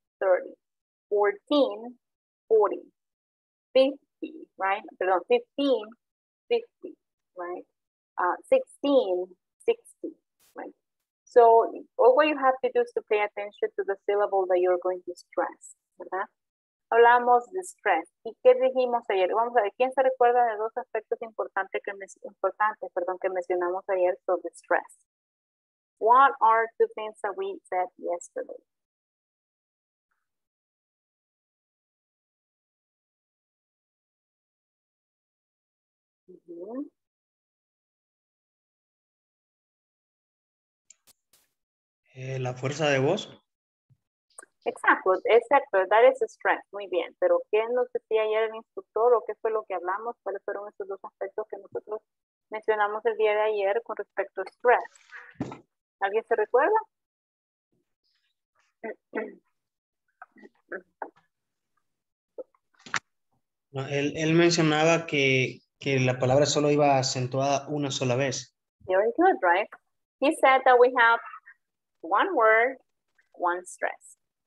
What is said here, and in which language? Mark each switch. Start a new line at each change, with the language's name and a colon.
English: 30, 14, 40, 50, right? Perdón, 15, 50, right? 16, 60, right? So all what you have to do is to pay attention to the syllable that you're going to stress, ¿verdad?
Spanish: Hablamos de stress. ¿Y qué dijimos ayer? Vamos a ver, ¿quién se recuerda de dos aspectos importantes que mencionamos ayer sobre stress?
English: What are two things that we said yesterday?
Spanish: La fuerza de voz. Exacto.
English: That is stress.
Spanish: Muy bien. Pero ¿qué nos decía ayer el instructor o qué fue lo que hablamos? ¿Cuáles fueron esos dos aspectos que nosotros mencionamos el día de ayer con respecto a stress? ¿Alguien se recuerda? No, él mencionaba que la palabra solo iba acentuada una sola vez.
English: Very good, right? He said that we have one word, one stress.